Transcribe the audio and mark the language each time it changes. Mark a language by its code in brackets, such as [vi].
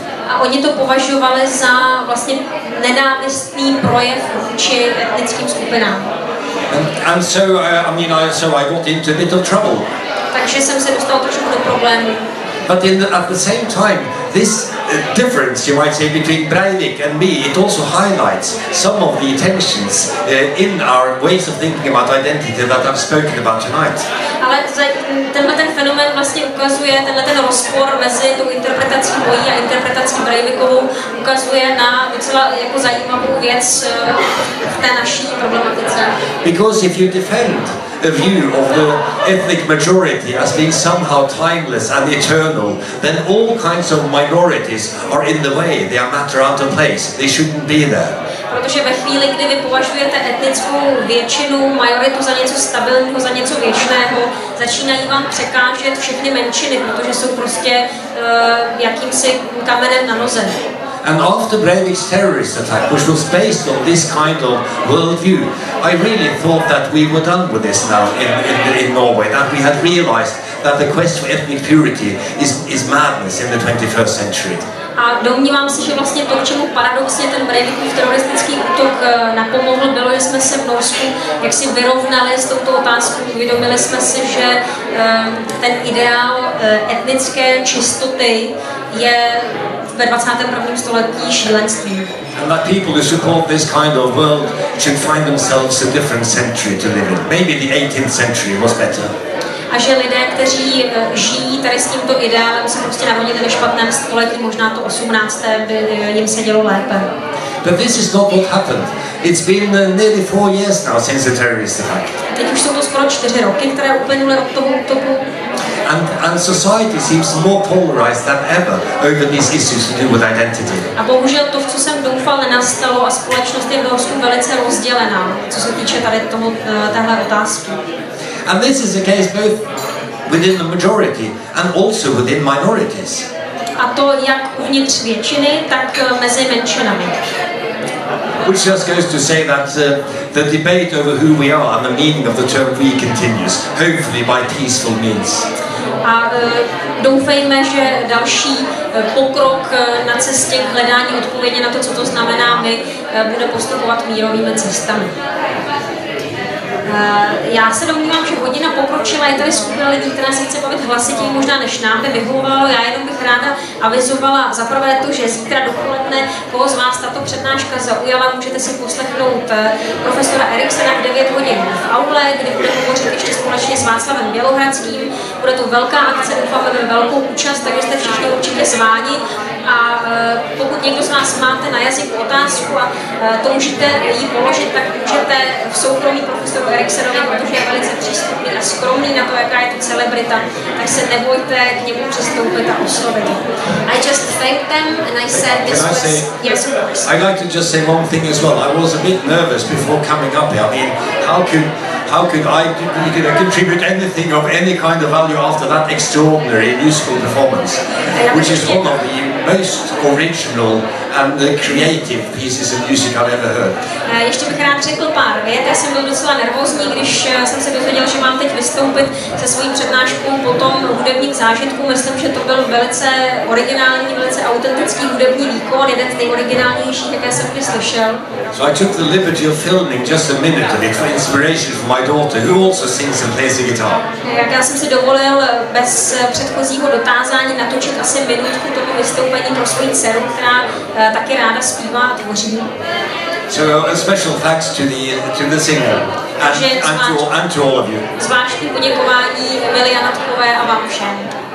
[cs] A oni to považovali za vlastně nenávistný projev vůči etnickým skupinám. [en] And so I got into a bit of trouble. [cs] Takže jsem se dostal trošku do problému. [en] But at the same time, this difference, you might say, between Breivik and me, it also highlights some of the tensions in our ways of thinking about identity that I've spoken about tonight. [cs] Ale tenhle ten fenomén vlastně ukazuje, tenhle ten rozpor mezi tou interpretací mojí a interpretací Breivikovou ukazuje na docela jako zajímavou věc v té naší problematice. [en] Because if you defend a view of the ethnic majority as being somehow timeless and eternal, then all kinds of minorities are in the way, they are matter out of place, they shouldn't be there. [cs] Protože ve chvíli, kdy vy považujete etnickou většinu, majoritu za něco stabilního, za něco věčného, začínají vám překážet všechny menšiny, protože jsou prostě jakýmsi kamenem na noze. [en] And after Breivik's terrorist attack, which was based on this kind of worldview, I really thought that we were done with this now in Norway, that we had realized that the quest for ethnic purity is madness in the 21st century. [cs] A domnívám se, že vlastně to, k čemu paradoxně ten Breivikův teroristický útok napomohl, bylo, že jsme se v Norsku jaksi vyrovnali s touto otázkou. Uvědomili jsme si, že ten ideál etnické čistoty je ve 21. století šílenství. [en] And that people who support this kind of world should find themselves a different century to live in. Maybe the 18th century was better. [cs] A že lidé, kteří žijí tady s tímto ideálem, se prostě narodili ve špatném století, možná to 18. by jim sedělo lépe. [en] But this is not what happened. It's been nearly 4 years now since the terrorist attack. [cs] Teď už jsou to skoro 4 roky, které uplynuly od toho útoku. [en] And society seems more polarized than ever over these issues to do with identity. [cs] A bohužel to, v co jsem doufal, nenastalo a společnost je v Norsku velice rozdělená, co se týče tady tomu, téhle otázky. [en] And this is the case both within the majority and also within minorities. [cs] A to jak uvnitř většiny, tak mezi menšinami. [en] Which just goes to say that the debate over who we are and the meaning of the term we continues, hopefully by peaceful means. [cs] A doufejme, že další pokrok na cestě k hledání odpovědi na to, co to znamená my, bude postupovat mírovými cestami. Já se domnívám, že hodina pokročila, je tady skupina lidí, která se chce bavit hlasitě, možná než nám by vyhovovalo. Já jenom bych ráda avizovala za prvé to, že zítra dopoledne, koho z vás tato přednáška zaujala, můžete si poslechnout profesora Eriksena v 9 hodin v aule, kde bude hovořit ještě společně s Václavem Bělohradským. Bude to velká akce, doufáme ve velkou účast, takže jste všichni určitě zváni. A pokud někdo z vás máte na jazyku otázku a toužíte ji položit, tak můžete v soukromí profesoru Eriksenovi, protože je velice přístupný a skromný na to, jaká je to celebrita, tak se nebojte k němu přistoupit a oslovit. [en] I just thanked them and I said this was... Yes, of course. I'd like to just say one thing as well. I was a bit nervous before coming up here. I mean, How could I contribute anything of any kind of value after that extraordinary musical performance, which is one of the most original and creative pieces of music I've ever heard. [cs] Ještě bych rád řekl pár vět. Já jsem byl docela nervózní, když jsem se dozvěděl, že mám teď vystoupit se svojí přednáškou po tom hudebním zážitku. Myslím, že to byl velice originální, velice autentický hudební výkon, jeden z nejoriginálnějších, jaké jsem kdy slyšel. [en] So I took the liberty of filming just a minute of it for inspiration for my daughter, who also sings and plays the guitar. [cs] Jak já jsem si dovolil bez předchozího dotázání natočit asi minutku toho vystoupení pro svoji dceru, která taky ráda zpívá a tvoří. [en] So a special thanks to the singer and to all of you. [cs] Zvláštní poděkování Emilii Janatkové a vám všem.